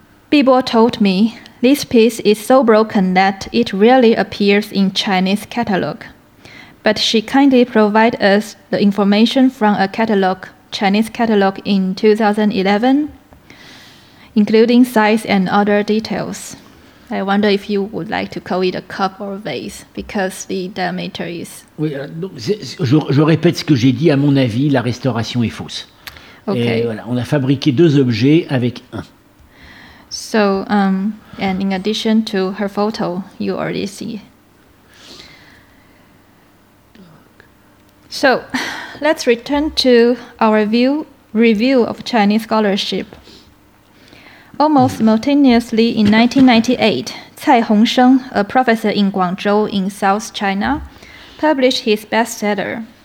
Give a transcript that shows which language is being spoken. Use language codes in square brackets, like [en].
[en] Bibo told me this piece is so broken that it rarely appears in Chinese catalog, but she kindly provided us the information from a catalog, Chinese catalog in 2011, including size and other details. I wonder if you would like to call it a cup or a vase, because the diameter is... [fr] Oui, donc je répète ce que j'ai dit, à mon avis, la restauration est fausse. [en] Okay. [fr] Et voilà, on a fabriqué deux objets avec un. [en] So, and in addition to her photo, you already see. So, let's return to our review of Chinese scholarship. Almost simultaneously in 1998, Cai Hongsheng, a professor in Guangzhou in South China, published his bestseller.